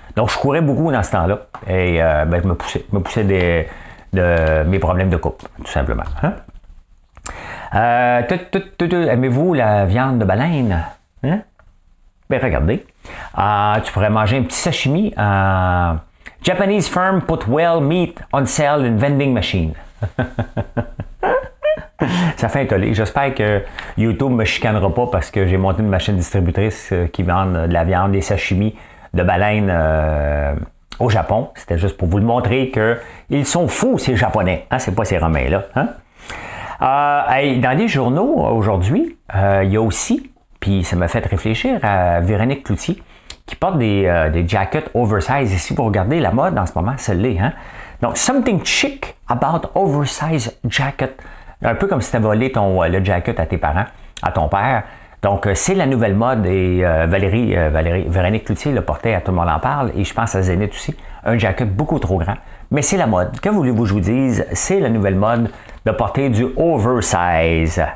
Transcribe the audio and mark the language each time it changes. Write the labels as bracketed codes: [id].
[fr] Donc, je courais beaucoup dans ce temps-là. Et ben, je me poussais de mes problèmes de couple, tout simplement. Hein? Aimez-vous la viande de baleine? Hein? Ben, regardez. Tu pourrais manger un petit sashimi en... [en] Japanese firm put whale meat on sale in vending machine. [fr] Ça fait un tollé. J'espère que YouTube ne me chicanera pas parce que j'ai monté une machine distributrice qui vend de la viande, des sashimi de baleine au Japon. C'était juste pour vous le montrer qu'ils sont fous, ces Japonais. Hein? C'est pas ces Romains-là. Hein? Dans les journaux aujourd'hui, il y a aussi, puis ça m'a fait réfléchir à Véronique Cloutier, qui porte des jackets oversize. Et si vous regardez la mode en ce moment, c'est laid, hein? Donc, [en] something chic about oversize jacket. [fr] Un peu comme si tu avais volé le jacket à tes parents, à ton père. Donc, c'est la nouvelle mode. Et Véronique Cloutier le portait, à tout le monde en parle. Et je pense à Zénith aussi. Un jacket beaucoup trop grand. Mais c'est la mode. Que voulez-vous que je vous dise? C'est la nouvelle mode de porter du oversize.